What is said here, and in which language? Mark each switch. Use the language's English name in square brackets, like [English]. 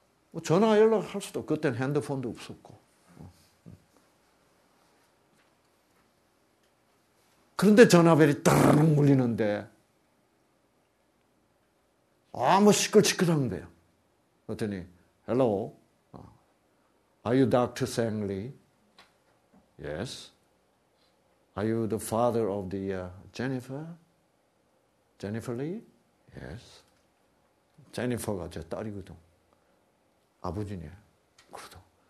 [Korean] 뭐 전화 연락할 수도 그때는 핸드폰도 없었고. 그런데 전화벨이 따르릉 울리는데 아무 시끌시끌한 거예요. 그랬더니 [English] Hello, are you Dr. Sang Lee? Yes. Are you the father of the Jennifer? Jennifer Lee? Yes. [Korean] Jennifer가 제 딸이거든. 아버지냐? 그러더.